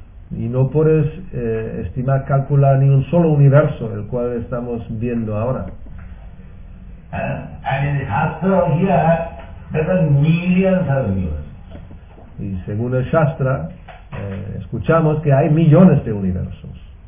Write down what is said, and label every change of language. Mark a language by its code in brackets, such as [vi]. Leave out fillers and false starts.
[es] Y no puedes estimar, calcular ni un solo universo, el cual estamos viendo ahora. [en] And in the Shastra here, there are millions of universes. [es] Y según el Shastra, escuchamos que hay millones de universos.